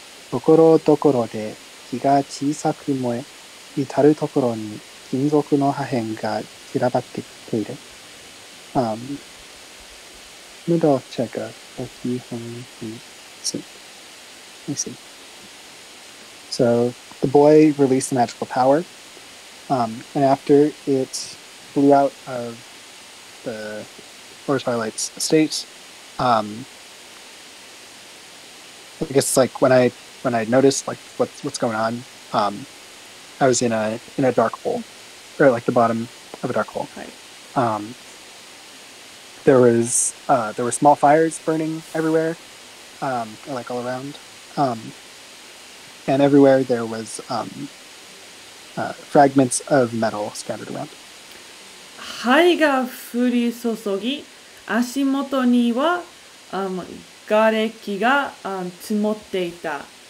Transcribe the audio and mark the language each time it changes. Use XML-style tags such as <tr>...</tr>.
<ja>ところどころで火が小さく燃え、至るところに金属の破片が散らばってきている。ムドチェガ、トキハナチ。</ja> <en>So the boy released the magical power, and after it blew out of the Lord Twilight's estate, I guess like when I noticed like what's going on, I was in a dark hole, or like the bottom of a dark hole. Right. There were small fires burning everywhere. Like all around, and everywhere there was fragments of metal scattered around.</en> <ja>灰が降り注ぎ、足元には瓦礫が積もっていた。</ja>